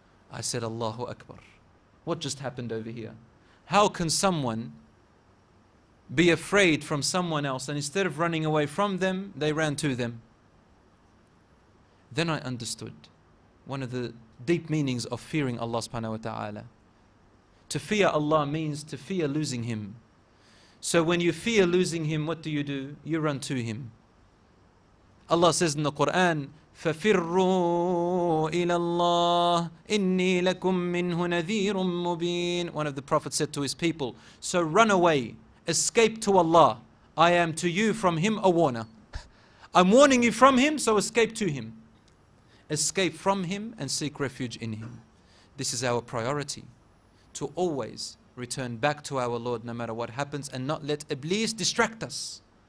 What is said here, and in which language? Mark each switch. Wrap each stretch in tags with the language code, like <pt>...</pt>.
<en>I said, Allahu Akbar. What just happened over here? How can someone be afraid from someone else? And instead of running away from them, they ran to them. Then I understood one of the deep meanings of fearing Allah subhanahu wa ta'ala. To fear Allah means to fear losing Him. So when you fear losing Him, what do? You run to Him. Allah says in the Quran,</en> <ar>فَفِرُّوا إِلَى اللَّهِ إِنِّي لَكُم مِّنْهُ نَذِيرٌ مُّبِينٌ.</ar> <en>One of the prophets said to his people, so run away, escape to Allah. I am to you from Him a warner. I'm warning you from Him, so escape to Him. Escape from Him and seek refuge in Him. This is our priority. To always return back to our Lord no matter what happens and not let Iblis distract us.</en>